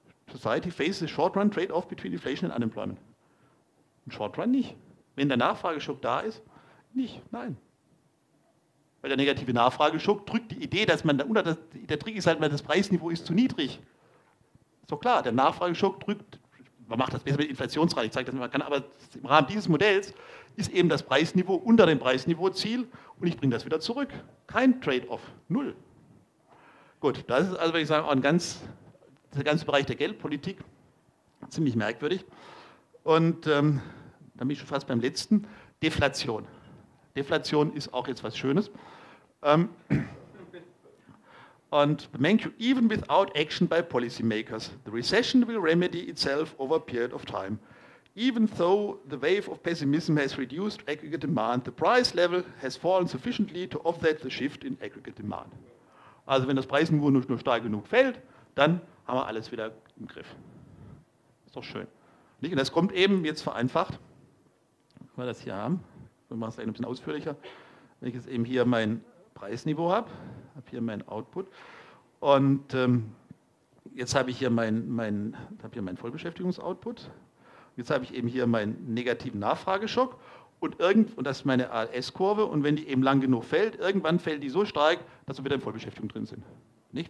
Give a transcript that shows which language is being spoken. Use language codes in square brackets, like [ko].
[en] Society faces a short-run trade-off between inflation and unemployment. [de] Ein Short-run nicht. Wenn der Nachfrageschock da ist, nicht, nein. Weil der negative Nachfrageschock drückt die Idee, dass man, der Trick ist halt, weil das Preisniveau ist zu niedrig. Ist doch klar, der Nachfrageschock drückt, man macht das besser mit Inflationsrate, ich zeige das, man kann, aber im Rahmen dieses Modells ist eben das Preisniveau unter dem Preisniveau-Ziel und ich bringe das wieder zurück. Kein Trade-off, null. Gut, das ist also, würde ich sagen, auch der ganze Bereich der Geldpolitik, ziemlich merkwürdig. Und dann bin ich schon fast beim letzten, Deflation. Deflation ist auch jetzt was Schönes. [en] Und Mankiw, even without action by policymakers, the recession will remedy itself over a period of time. Even though the wave of pessimism has reduced aggregate demand, the price level has fallen sufficiently to offset the shift in aggregate demand. [de] Also wenn das Preisniveau nur stark genug fällt, dann haben wir alles wieder im Griff. Ist doch schön. Nicht? Und das kommt eben jetzt vereinfacht, wenn wir das hier haben. Wir machen es ein bisschen ausführlicher, wenn ich jetzt eben hier mein Preisniveau habe, habe hier mein Output und jetzt habe ich hier mein Vollbeschäftigungsoutput, jetzt habe ich eben hier meinen negativen Nachfrageschock und das ist meine ALS-Kurve und wenn die eben lang genug fällt, irgendwann fällt die so stark, dass wir wieder in Vollbeschäftigung drin sind. Nicht?